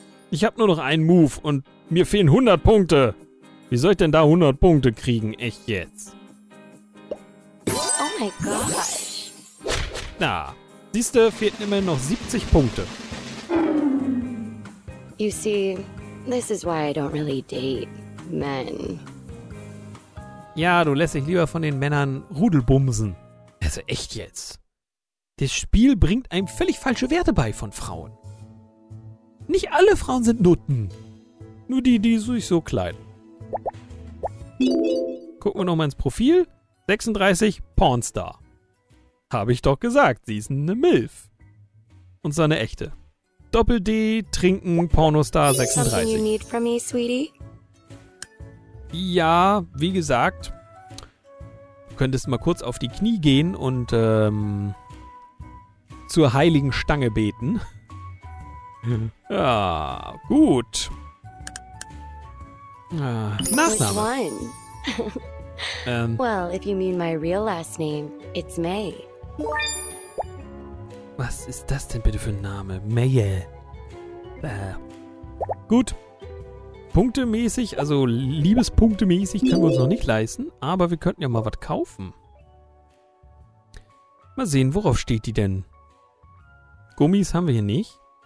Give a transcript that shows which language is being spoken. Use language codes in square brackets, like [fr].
[de] Ich habe nur noch einen Move und mir fehlen 100 Punkte. Wie soll ich denn da 100 Punkte kriegen? Echt jetzt? Oh mein Gott. Na, siehste, fehlten immer noch 70 Punkte. [en] You see, this is why I don't really date men. [de] Ja, du lässt dich lieber von den Männern rudelbumsen. Also echt jetzt. Das Spiel bringt einem völlig falsche Werte bei von Frauen. Nicht alle Frauen sind Nutten. Nur die, die sich so kleiden. Gucken wir nochmal ins Profil. 36, Pornstar. Habe ich doch gesagt, sie ist eine MILF. Und so eine echte. Doppel D, trinken, Pornostar 36. Ja, wie gesagt. Du könntest mal kurz auf die Knie gehen und zur heiligen Stange beten. Ja, gut. Nachname. [en] Well, if you mean my real last name, it's May. [de] Was ist das denn bitte für ein Name? May. Gut. Punktemäßig, also liebespunktemäßig können wir uns noch nicht leisten, aber wir könnten ja mal was kaufen. Mal sehen, worauf steht die denn? Gummis haben wir hier nicht.